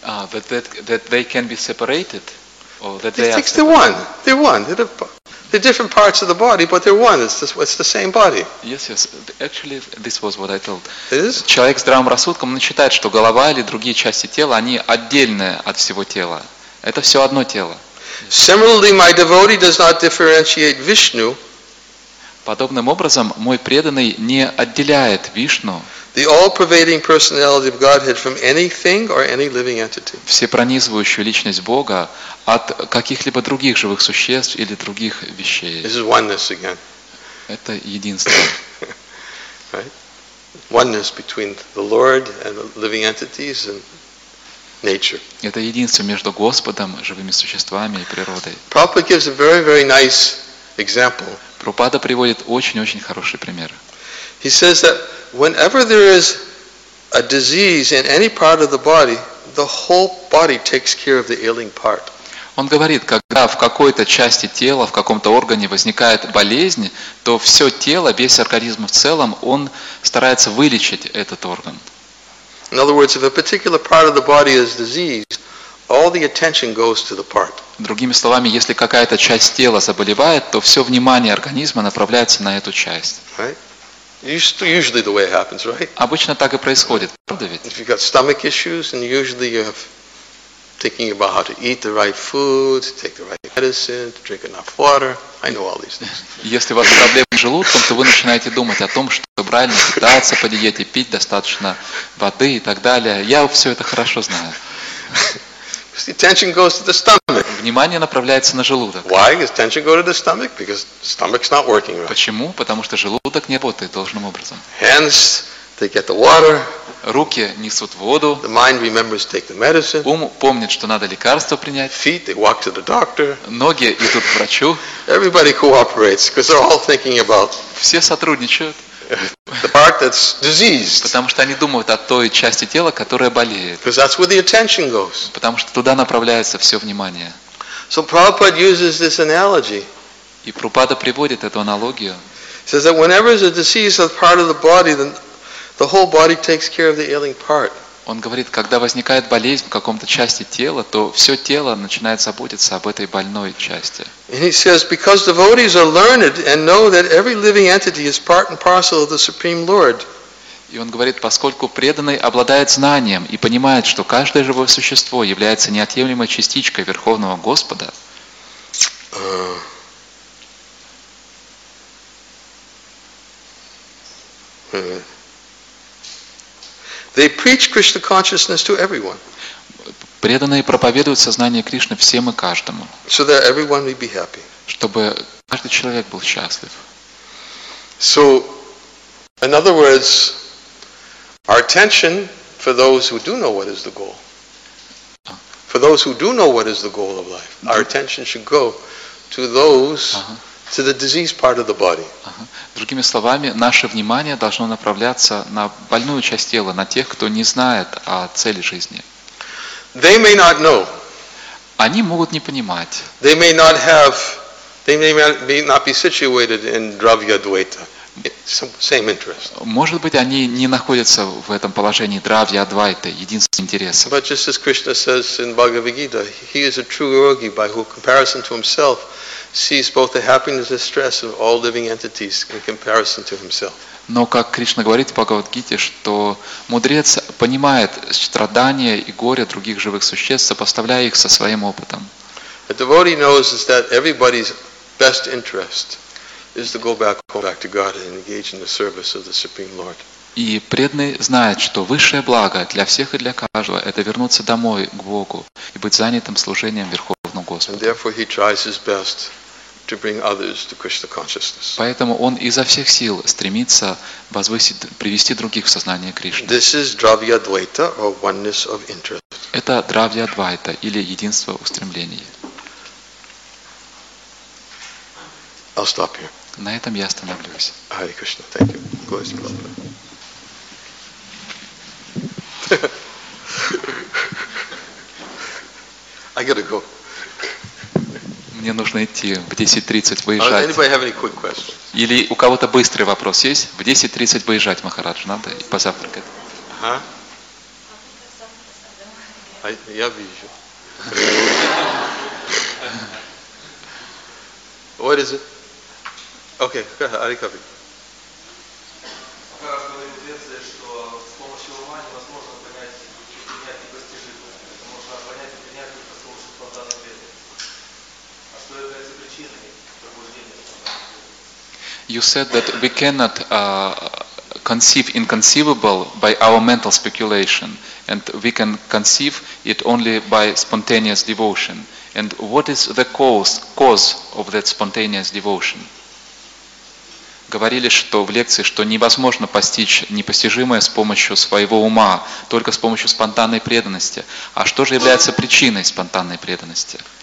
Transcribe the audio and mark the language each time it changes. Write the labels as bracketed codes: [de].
[en] That they can be separated, or that they are. They think they're one. They're different parts of the body, but they're one. It's the same body. Yes. Actually, this was what I told. It is. [ru] Человек с здравым рассудком, он считает, что голова или другие части тела, они отдельные от всего тела. Это все одно тело. [en] Similarly, my devotee does not differentiate Vishnu. [ru] Подобным образом, мой преданный не отделяет Вишну. [en] The all-pervading personality of Godhead from anything or any living entity. [ru] Всепронизывающую личность Бога от каких-либо других живых существ или других вещей. [en] This is oneness again. [ru] Это единство. [en] Right? Oneness between the Lord and the living entities and nature. [ru] Это единство между Господом, живыми существами и природой. [en] Prabhupada gives a very, very nice example. [ru] Прабхупада приводит очень-очень хороший пример. [en] He says that whenever there is a disease in any part of the whole body takes care of the ailing part. [ru] Он говорит, когда в какой-то части тела, в каком-то органе возникает болезнь, то все тело, весь организм в целом, он старается вылечить этот орган. [en] In other words, if a particular part of the body is diseased, All the attention goes to the part. [ru] Другими словами, если какая-то часть тела заболевает, то все внимание организма направляется на эту часть. [en] Right? Usually the way it happens, right? [ru] Обычно так и происходит, правда ведь? [en] If you've got stomach issues, and usually you have thinking about how to eat the right food, take the right medicine, to drink enough water. I know all these things. [ru] Если у вас проблемы с желудком, то вы начинаете думать о том, что правильно питаться, по диете пить достаточно воды и так далее. Я все это хорошо знаю. [en] The attention goes to the stomach. [ru] Внимание направляется на желудок. [en] Why does attention go to the stomach? Because stomach's not working right. [ru] Почему? Потому что желудок не работает должным образом. [en] Hence, they get the water. [ru] Руки несут воду. [en] The mind remembers to take the medicine. [ru] Ум помнит, что надо лекарство принять. [en] Feet, they walk to the doctor. [ru] Ноги идут к врачу. [en] Everybody cooperates, because they're all thinking about. [ru] Все сотрудничают. [en] The part that's diseased. [ru] Потому что они думают о той части тела, которая болеет. [en] Because that's where the attention goes. [ru] Потому что туда направляется все внимание. [en] So Prabhupada uses this analogy. [ru] И Прабхупада приводит эту аналогию. [en] He says that whenever there's a disease of part of the body, then the whole body takes care of the ailing part. [ru] Он говорит, когда возникает болезнь в каком-то части тела, то все тело начинает заботиться об этой больной части. [en] And he says, because devotees are learned and know that every living entity is part and parcel of the Supreme Lord. [ru] И он говорит, поскольку преданный обладает знанием и понимает, что каждое живое существо является неотъемлемой частичкой Верховного Господа. [en] They preach Krishna consciousness to everyone. [ru] Преданные проповедуют сознание Кришны всем и каждому. [en] So that everyone may be happy. [ru] Чтобы каждый человек был счастлив. [en] So, in other words, our attention for those who do know what is the goal. For those who do know what is the goal of life, our attention should go to those. To the diseased part of the body. [ru] Другими словами, наше внимание должно направляться на больную часть тела, на тех, кто не знает о цели жизни. [en] They may not know. [ru] Они могут не понимать. [en] They may not have, they may not be situated in Dravya-Dvaita. Same interest. [ru] Может быть, они не находятся в этом положении Дравья-Адвайта, единственный интерес. [en] But just as Krishna says in Bhagavad-Gita, he is a true yogi by whom comparison to himself sees both the happiness and stress of all living entities in comparison to himself. [ru] Но как Кришна говорит в Бхагавад-Гите, что мудрец понимает страдания и горе других живых существ, сопоставляя их со своим опытом. [en] A devotee knows that everybody's best interest is to go back to God and engage in the service of the Supreme Lord. [ru] И преданный знает, что высшее благо для всех и для каждого – это вернуться домой к Богу и быть занятым служением Верховному Господу. [en] And therefore he tries his best to bring others to Krishna consciousness. [ru] Поэтому он изо всех сил стремится возвысить, привести других в сознание Кришны. [en] This is Dravya-Dvaita or oneness of interest. [ru] Это Dravya-Dvaita или единство устремлений. [en] I'll stop here. [ru] На этом я остановлюсь. [en] Hare Krishna, thank you. Glory to Prabhupada. I gotta go. [ru] Мне нужно идти в 10:30 выезжать. [en] Anybody have any quick questions? [ru] Или у кого-то быстрый вопрос есть? В 10:30 выезжать, Махарадж, надо и позавтракать. Ага. Я вижу. [en] What is it? Окей, okay. Ари Капи. [ru] Как раз было известно, что с помощью ума невозможно понять и постижимое. Это можно понять и принять только с помощью спонтанной веры. А что является причиной пробуждения спонтанной веры? [en] You said that we cannot conceive inconceivable by our mental speculation, and we can conceive it only by spontaneous devotion. And what is the cause of that spontaneous devotion? [ru] Говорили, что в лекции, что невозможно постичь непостижимое с помощью своего ума, только с помощью спонтанной преданности. А что же является причиной спонтанной преданности?